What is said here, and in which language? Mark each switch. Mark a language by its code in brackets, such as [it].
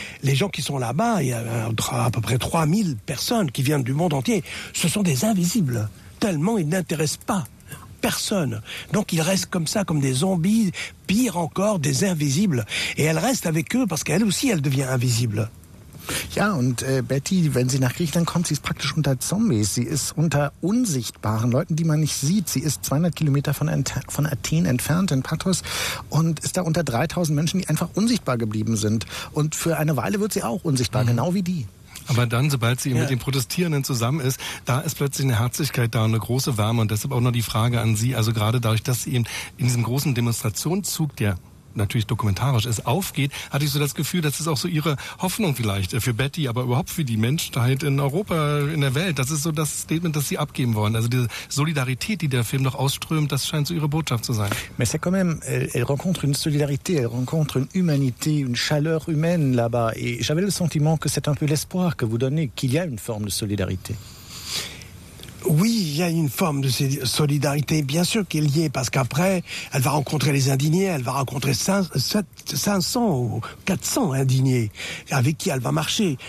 [fr] Les gens qui sont là-bas, il y a à peu près 3000 personnes qui viennent du monde entier, ce sont des invisibles, tellement ils n'intéressent pas personne. Donc ils restent comme ça, comme des zombies, pire encore, des invisibles. Et elle reste avec eux parce qu'elle aussi, elle devient invisible. [de] Ja, und Betty, wenn sie nach Griechenland kommt, sie ist praktisch unter Zombies. Sie ist unter unsichtbaren Leuten, die man nicht sieht. Sie ist 200 Kilometer von Athen entfernt, in Patros, und ist da unter 3000 Menschen, die einfach unsichtbar geblieben sind. Und für eine Weile wird sie auch unsichtbar, genau wie die. Aber dann, sobald sie mit den Protestierenden zusammen ist, da ist plötzlich eine Herzlichkeit da und eine große Wärme. Und deshalb auch noch die Frage an Sie, also gerade dadurch, dass Sie eben in diesem großen Demonstrationszug, der natürlich dokumentarisch ist, aufgeht, hatte ich so das Gefühl, dass es auch so ihre Hoffnung vielleicht für Betty, aber überhaupt für die Menschheit in Europa, in der Welt, das ist so das Statement, das sie abgeben wollen. Also diese Solidarität, die der Film noch ausströmt, das scheint so ihre Botschaft zu sein. [fr] Mais c'est quand même, elle rencontre une solidarité, elle rencontre une humanité, une chaleur humaine là-bas. Et j'avais le sentiment que c'est un peu l'espoir que vous donnez, qu'il y a une forme de solidarité. Oui, il y a une forme de solidarité, bien sûr qu'elle y est, parce qu'après, elle va rencontrer les indignés, elle va rencontrer 500 ou 400 indignés avec qui elle va marcher.